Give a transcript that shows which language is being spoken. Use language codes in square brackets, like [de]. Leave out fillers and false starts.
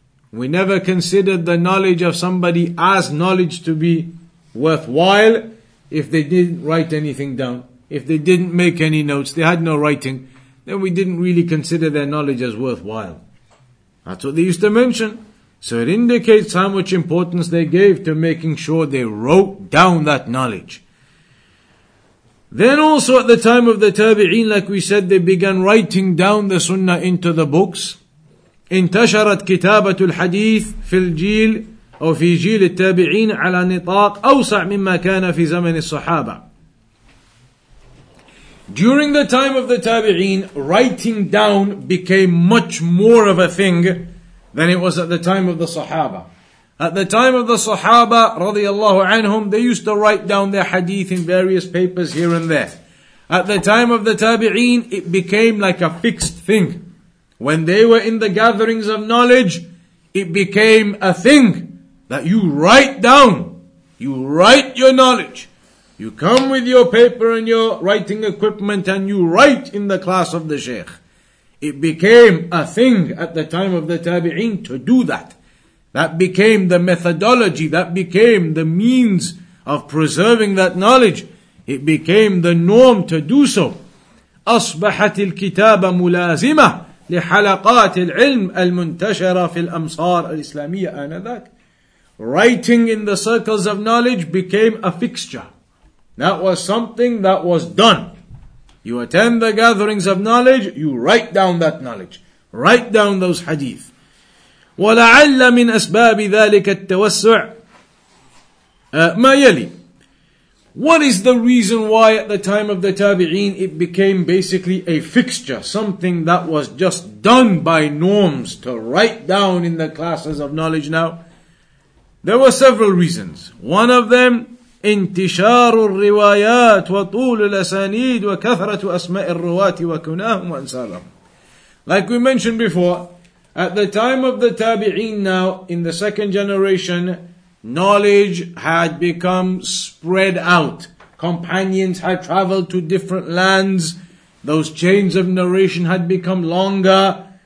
[en] We never considered the knowledge of somebody as knowledge to be worthwhile if they didn't write anything down, if they didn't make any notes, they had no writing, then we didn't really consider their knowledge as worthwhile. That's what they used to mention. So it indicates how much importance they gave to making sure they wrote down that knowledge. Then also at the time of the tabi'een, like we said, they began writing down the sunnah into the books. [ar] انتشرت كتابة الحديث في الجيل أو في جيل التابعين على نطاق أوسع مما كان في زمن الصحابة. [en] During the time of the tabi'een, writing down became much more of a thing than it was at the time of the Sahaba. At the time of the Sahaba, radiallahu anhum, they used to write down their hadith in various papers here and there. At the time of the Tabi'een, it became like a fixed thing. When they were in the gatherings of knowledge, it became a thing that you write down, you write your knowledge, you come with your paper and your writing equipment and you write in the class of the Shaykh. It became a thing at the time of the Tabi'een to do that. That became the methodology, that became the means of preserving that knowledge. It became the norm to do so. [ar] أصبحت الكتابة ملازمة لحلقات العلم المنتشرة في الأمصار الإسلامية آنذاك. [en] Writing in the circles of knowledge became a fixture. That was something that was done. You attend the gatherings of knowledge, you write down that knowledge. Write down those hadith. [ar] ولعل من أسباب ذلك التوسع ما يلي. [en] What is the reason why at the time of the Tabi'een it became basically a fixture, something that was just done by norms to write down in the classes of knowledge now? There were several reasons. One of them, [ar] انتشار الروايات وطول الأسانيد وكثرة أسماء الرواة وكناهم وأنسابهم. [en] Like we mentioned before, at the time of the Tabi'een now, in the second generation, knowledge had become spread out. Companions had traveled to different lands. Those chains of narration had become longer.